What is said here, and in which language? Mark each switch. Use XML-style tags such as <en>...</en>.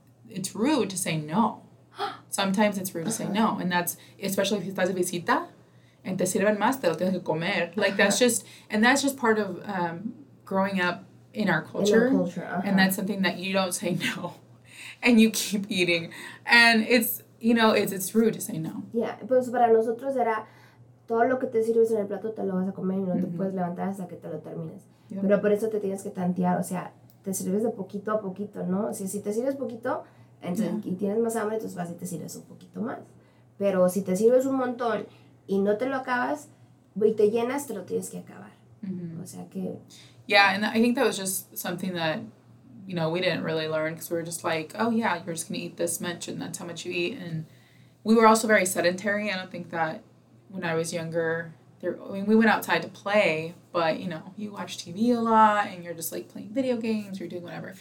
<en>It's rude to say no. Sometimes it's rude to say no, and that's, especially if</en> <es>estás de visita,</es> <en>and</en> <es>te sirven más, te lo tienes que comer.</es> <en>Like, that's just part of growing up in our culture, and that's something that you don't say no. And you keep eating. And it's, you know, it's rude to say no.</en> <es>Yeah, pues para nosotros era todo lo que te sirves en el plato te lo vas a comer y no te puedes levantar hasta que te lo termines.</es> <en>Yep.</en> <es>Pero por eso te tienes que tantear, o sea, te sirves de poquito a poquito, ¿no? Si te sirves poquito y tienes más hambre, entonces vas y te sirves un poquito más. Pero si te sirves un montón y no te lo acabas y te llenas, te lo tienes que acabar. Mm-hmm. O sea que...</es> <en>Yeah, and I think that was just something that... You know, we didn't really learn because we were just like, oh, yeah, you're just going to eat this much and that's how much you eat. And we were also very sedentary. I don't think that when I was younger, we went outside to play, but, you know, you watch TV a lot and you're just, like, playing video games, you're doing whatever.</en>